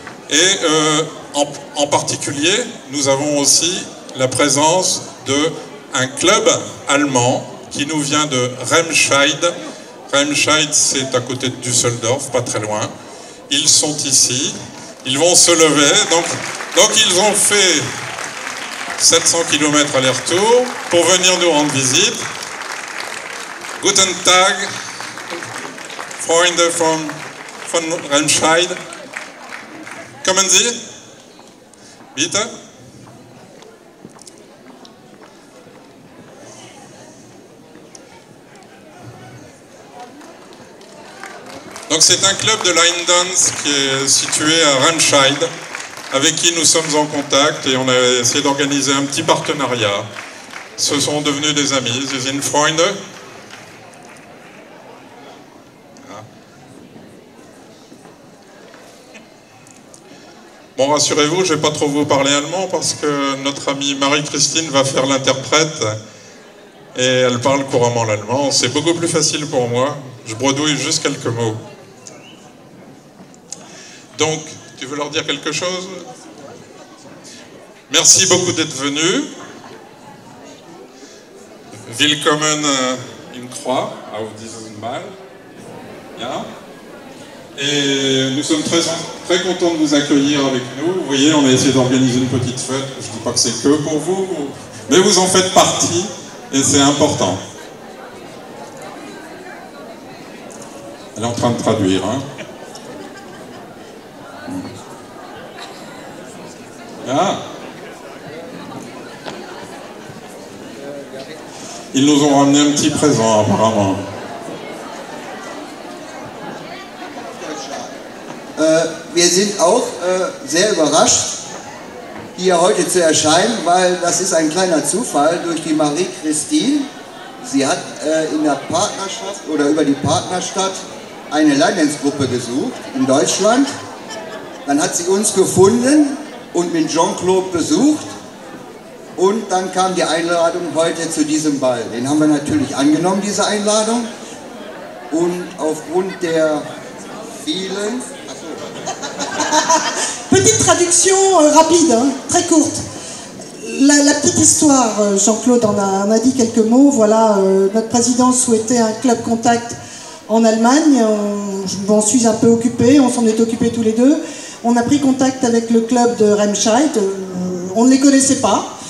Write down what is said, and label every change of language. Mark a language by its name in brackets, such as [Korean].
[French] Et en particulier, nous avons aussi la présence d'un club allemand qui nous vient de Remscheid. Remscheid, c'est à côté de Düsseldorf, pas très loin. Ils sont ici, ils vont se lever. Donc ils ont fait 700 km aller-retour pour venir nous rendre visite. [German] Guten Tag, Freunde von Remscheid. Kommen Sie? Bitte? [French] Donc c'est un club de line dance qui est situé à Remscheid, avec qui nous sommes en contact et on a essayé d'organiser un petit partenariat. Ce sont devenus des amis, [German] sie sind Freunde. [French] Bon, rassurez-vous, je ne vais pas trop vous parler allemand parce que notre amie Marie-Christine va faire l'interprète et elle parle couramment l'allemand. C'est beaucoup plus facile pour moi. Je bredouille juste quelques mots. Donc, tu veux leur dire quelque chose ? Merci beaucoup d'être venu. [German] Willkommen in Croix, auf diesem Mal. Yeah. [French] Et nous sommes très, très contents de vous accueillir avec nous. Vous voyez, on a essayé d'organiser une petite fête. Je ne dis pas que c'est que pour vous, mais vous en faites partie et c'est important. Elle est en train de traduire. Hein. Ah. Ils nous ont ramené un petit présent, apparemment. [German] Wir sind auch sehr überrascht, hier heute zu erscheinen, weil das ist ein kleiner Zufall durch die Marie-Christine. Sie hat in der Partnerschaft oder über die Partnerstadt eine Line-Dance-Gruppe gesucht in Deutschland. Dann hat sie uns gefunden und mit Jean-Claude besucht. Und dann kam die Einladung heute zu diesem Ball. Den haben wir natürlich angenommen, diese Einladung. Und aufgrund der vielen... [French] Petite traduction rapide, hein, très courte. La petite histoire, Jean-Claude en a dit quelques mots. Voilà, notre président souhaitait un club contact en Allemagne. Je m'en suis un peu occupé, on s'en est occupé tous les deux. On a pris contact avec le club de Remscheid. On ne les connaissait pas.